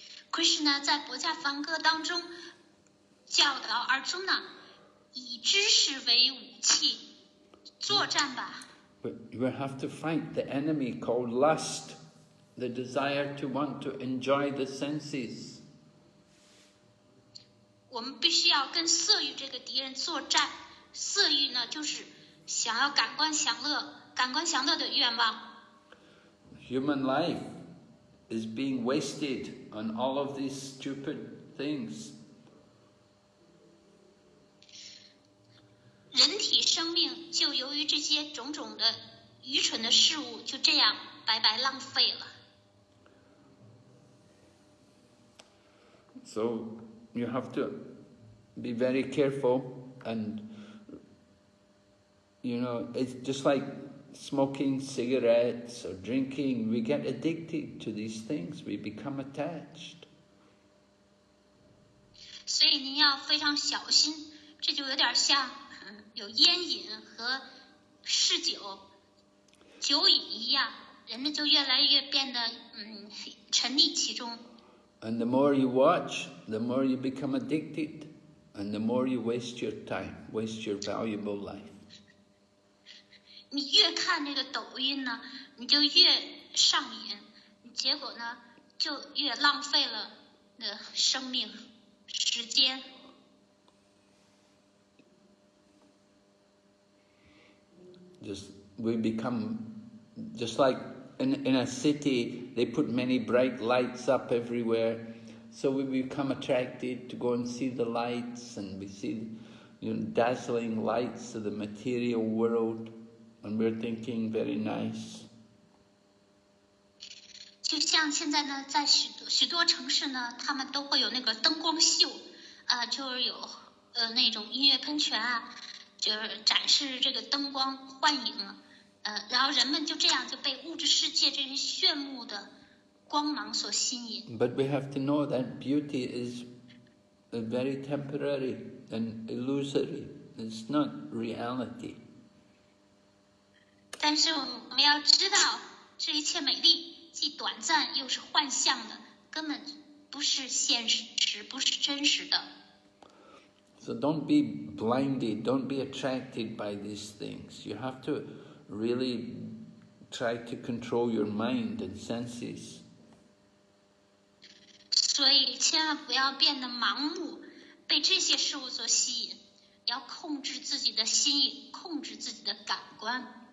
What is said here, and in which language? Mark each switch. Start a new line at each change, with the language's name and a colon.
Chinese: Krishna 在《博伽梵歌》当中教导 Arjuna, 以知识为武器,作战吧。
English: But you will have to fight the enemy called lust, the desire to want to enjoy the senses.
Chinese: 我们必须要跟色欲这个敌人作战。色欲呢，就是想要感官享乐，感官享乐的愿望。
English: Human life is being wasted on all of these stupid things.
Chinese: 人体生命就由于这些种种的愚蠢的事物就这样白白浪费了。
English: So you have to be very careful and you know, it's just like smoking cigarettes or drinking, we get addicted to these things, we become attached.
Chinese: 所以您要非常小心，这就有点像有烟瘾和嗜酒酒瘾一样，人们就越来越变得沉溺其中。
English: And the more you watch, the more you become addicted, and the more you waste your time, waste your valuable life.
Chinese: 你越看这个抖音呢，你就越上瘾，结果呢就越浪费了的生命时间。
English: Just, we become, just like in a city, they put many bright lights up everywhere. So we become attracted to go and see the lights, and we see, you know, dazzling lights of the material world, and we're thinking very nice.
Chinese: 就像现在呢，在许多城市呢，他们都会有那个灯光秀，就是有那种音乐喷泉啊。就是展示这个灯光幻影，然后人们就这样就被物质世界这些炫目的光芒所吸引。
English: But we have to know that beauty is a very temporary and illusory. It's not reality.
Chinese: 但是我们要知道，这一切美丽既短暂又是幻象的，根本不是现实，不是真实的。
English: So don't be blinded, don't be attracted by these things. You have to really try to control your mind and senses.
Chinese: 所以千万不要变得盲目，被这些事物所吸引，要控制自己的心意，控制自己的感官。